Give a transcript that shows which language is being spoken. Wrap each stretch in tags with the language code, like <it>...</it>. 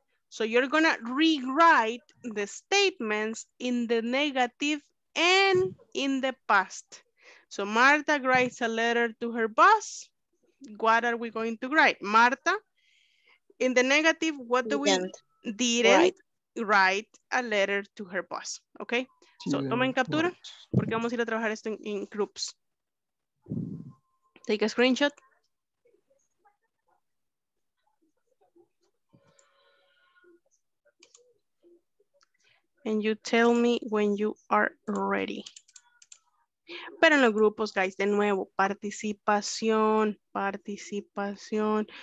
<en>So you're gonna rewrite the statements in the negative and in the past. So Marta writes a letter to her boss. What are we going to write? Marta, in the negative, what do we didn't write a letter to her boss, okay?</en> <es>So tomen captura, porque vamos a ir a trabajar esto</es> <en>in groups. Take a screenshot. And you tell me when you are ready.</en> <es>Pero en los grupos, guys, de nuevo, participación, participación.</es>